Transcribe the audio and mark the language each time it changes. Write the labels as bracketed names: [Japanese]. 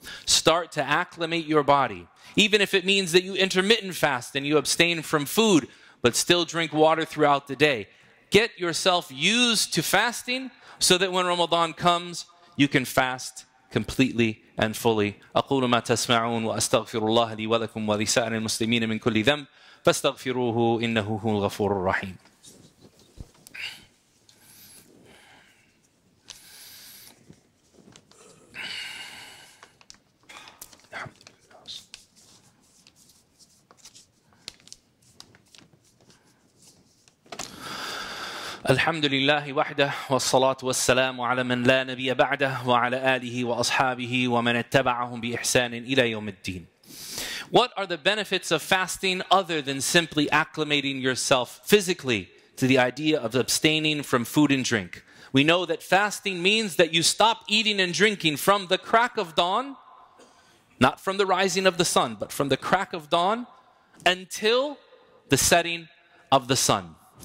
[English] Start to acclimate your body. Even if it means that you intermittent fast and you abstain from food, but still drink water throughout the day. Get yourself used to fasting, so that when Ramadan comes, you can fast completely and fully. [Arabic] أقول ما تسمعون وأستغفر الله لي ولكم ولسائر المسلمين من كل ذنب فاستغفروه إنه هو الغفور الرحيم. الحمد لله وحده والصلاة والسلام على من لا نبي بعده وعلى آله وأصحابه ومن اتبعهم بإحسان إلى يوم الدين. [English] What are the benefits of fasting other than simply acclimating yourself physically to the idea of abstaining from food and drink? We know that fasting means that you stop eating and drinking from the crack of dawn, not from the rising of the sun, but from the crack of dawn until the setting of the sun.